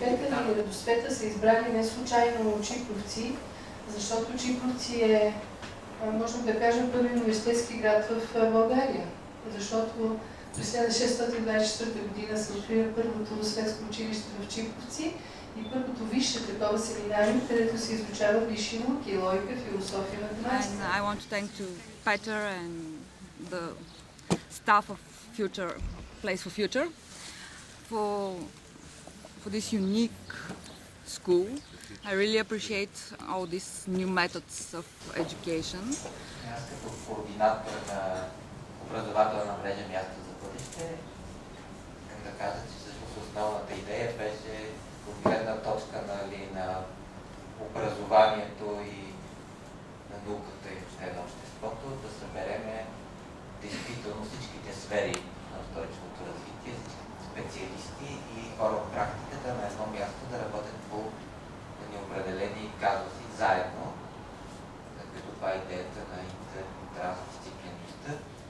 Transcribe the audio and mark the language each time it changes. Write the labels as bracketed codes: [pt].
[bg] Петата на Радосвета са избрали не случайно чиповци, защото чиповци е, можем да кажем, първи университетски град в България. Защото през 1624 година се открива първото светско училище в Чиповци и първото висше такова семинари, където се изучава висши науки, логика, философия, математика. [en] I want to thank to Peter and the staff of Future Place for Future for this unique school. I really appreciate all these new methods of education. [bg] Аз като координатор на образователна мрежа място за бъдеще, как да кажа, че всъщност основната идея беше от гледна точка на образованието и на науката и въобще на обществото, да съберем действително всичките сфери на устойчивото развитие, специалисти и хора от практиката на едно място да работят по определени казуси заедно, като това е идеята на интердисциплинарността.